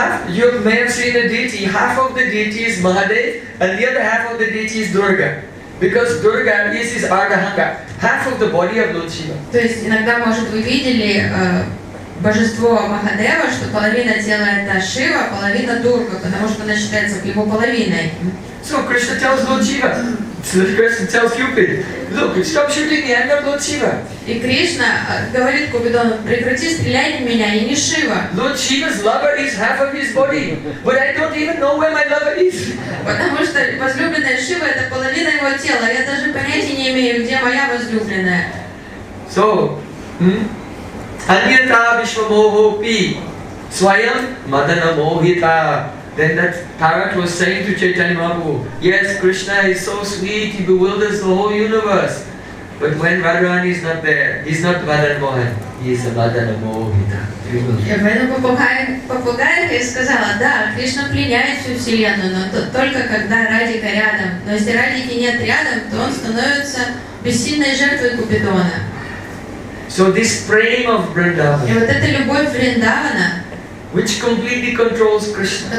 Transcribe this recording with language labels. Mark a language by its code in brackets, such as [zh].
[en] You may have seen a deity, half of the deity is Mahadev and the other half of the deity is Durga. Because Durga is his Ardhanga, half of the body of Lord Shiva. [ru] То есть иногда, может, вы видели божество Махадева, что половина тела это Шива, половина Дурга, потому что она считается его половиной. [en] So Krishna tells Lord Shiva. So Krishna tells Cupid, look, stop shooting me, I'm not Lord Shiva. [ru] И Кришна говорит Купидону, прекрати стрелять в меня, я не Шива. [en] Lord Shiva's lover is half of his body, but I don't even know where my lover is. [ru] Потому что возлюбленная Шива это половина его тела, я даже понятия не имею, где моя возлюбленная. [sa] So, Anyata Vishwamohopi, Swayam Madana Mohita. [en] Then that parrot was saying to Chaitanya Mahaprabhu, yes, Krishna is so sweet, he bewilders the whole universe. But when Radharani is not there, he is not Madan Mohan, he is a Madan Mohita. [ru] Попугайка сказала, да, Кришна пленяет всю Вселенную, но только когда Радика рядом. Но если Радики нет рядом, то он становится бессильной жертвой Купидона. [en] So this frame of Vrindavan. [ru] И вот эта любовь Вриндавана, [en] which completely controls Krishna.